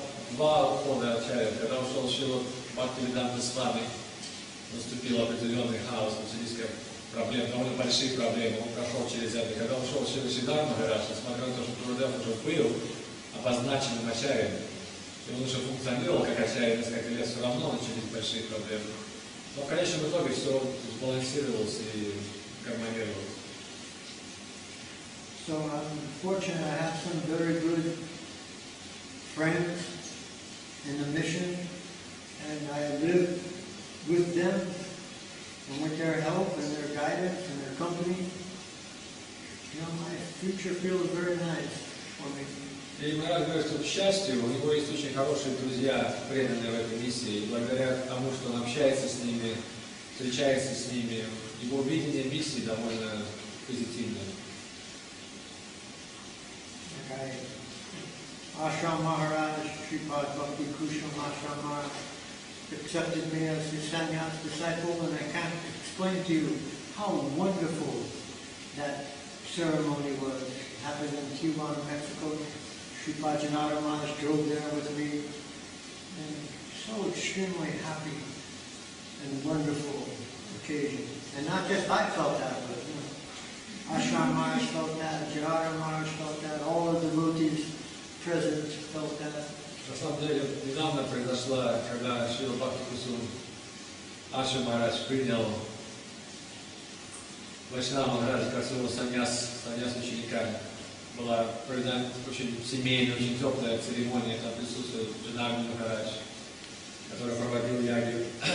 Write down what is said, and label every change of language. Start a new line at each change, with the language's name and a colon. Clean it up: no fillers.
Russian: Два ухода отчаяния, когда ушел Шрила Бхактивиданта Свами, наступил определенный хаос, начались проблемы, довольно большие проблемы, он прошел через это. Когда ушел Шрила Сидар Махарадж, несмотря на то, что Гурудев уже был обозначенным отчаянием, и он уже функционировал как отчаянный несколько лет, все равно начались большие проблемы. Но в конечном итоге все сбалансировалось и гармонировалось.
English: So I'm fortunate, I have some very good friends in the mission, and I live with them and with their help and their guidance and their company. You know, my future feels very nice for me.
Russian: И Марат говорит, что к счастью, у него есть очень хорошие друзья, преданные в этой миссии, и благодаря тому, что он общается с ними, встречается с ними, его видение миссии довольно позитивное.
English: Okay. Ashram Maharaj, Sripad Bhakti Kusham Ashram Maharaj accepted me as his sannyas disciple, and I can't explain to you how wonderful that ceremony was. It happened in Tijuana, Mexico. Sripad Janata Maharaj drove there with me, and so extremely happy and wonderful occasion. And not just I felt that, but you know, Ashram Maharaj felt that, Janata Maharaj felt that, all of the devotees.
Russian: На самом деле, недавно произошло, когда Шрила Бхакти Кусум Ашрам Махарадж принял Вайшнава Махараджа как своего саньяс ученика. Была произведена очень семейная, очень теплая церемония, там присутствует Джанарми Махарадж, который проводил яги.